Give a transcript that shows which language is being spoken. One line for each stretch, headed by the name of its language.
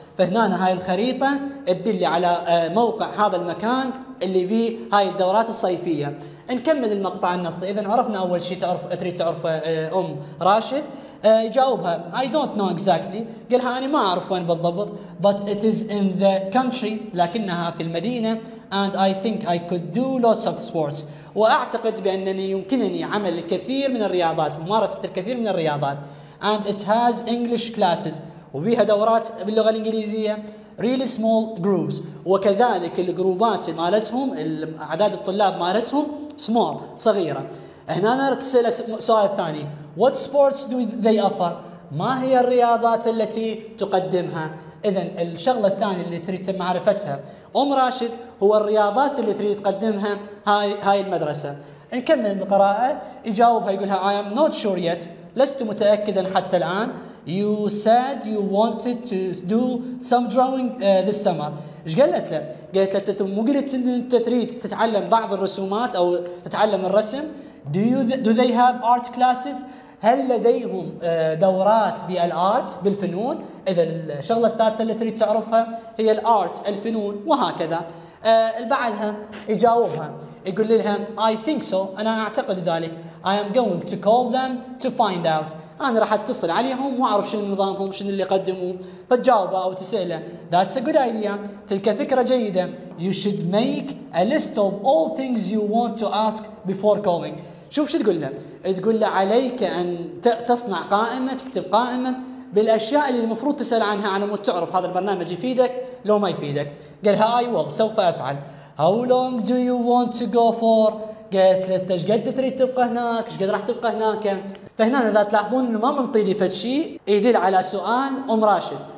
Arabic: فهنا هاي الخريطة تدل على موقع هذا المكان اللي به هاي الدورات الصيفية. نكمل المقطع النصي. إذن عرفنا أول شيء تريد تعرفه أم راشد. يجاوبها
English: I don't know exactly.
Arabic: قالها أنا ما أعرف وين بالضبط.
English: But it is in the country.
Arabic: لكنها في المدينة.
English: And I think I could do lots of sports.
Arabic: وأعتقد بأنني يمكنني عمل الكثير من الرياضات. ممارسة الكثير من الرياضات.
English: And it has English classes.
Arabic: وبيها دورات باللغة الإنجليزية.
English: Really small groups.
Arabic: وكذلك الجروبات مالتهم أعداد الطلاب مالتهم small صغيرة. هنا نرسل سؤال ثاني.
English: What sports do they offer?
Arabic: ما هي الرياضات التي تقدمها؟ إذن الشغلة الثانية اللي تريد معرفتها أم راشد هو الرياضات اللي تريد تقدمها هاي المدرسة. نكمل القراءة. يجاوبها يقولها
English: I am not sure yet.
Arabic: لست متأكدا حتى الآن.
English: You said you wanted to do some drawing this summer.
Arabic: إيش قالت له؟ قالت له تمقلت إن أنت تريد تتعلم بعض الرسومات أو تتعلم الرسم.
English: Do they have art classes?
Arabic: هل لديهم دورات بالآرت بالفنون؟ إذن الشغلة الثالثة اللي تريد تعرفها هي الآرت الفنون وهكذا. بعدها يجاوبها يقول لها
English: I think so.
Arabic: أنا أعتقد ذلك.
English: I am going to call them to find out.
Arabic: أنا راح أتصل عليهم وأعرف شنو نظامهم شنو اللي يقدمون. فتجاوبها أو تسأله
English: That's a good idea.
Arabic: تلك فكرة جيدة.
English: You should make a list of all things you want to ask before calling.
Arabic: شوف شو تقول له. تقول له عليك أن تصنع قائمة تكتب قائمة بالأشياء اللي المفروض تسأل عنها على مود تعرف هذا البرنامج يفيدك لو ما يفيدك. قالها
English: I will
Arabic: سوف أفعل.
English: How long do you want to go for؟
Arabic: قالت له إيش قد تريد تبقى هناك؟ إيش قد راح تبقى هناك؟ فهنا إذا تلاحظون إنه ما منطي لي فد شيء يدل على سؤال أم راشد.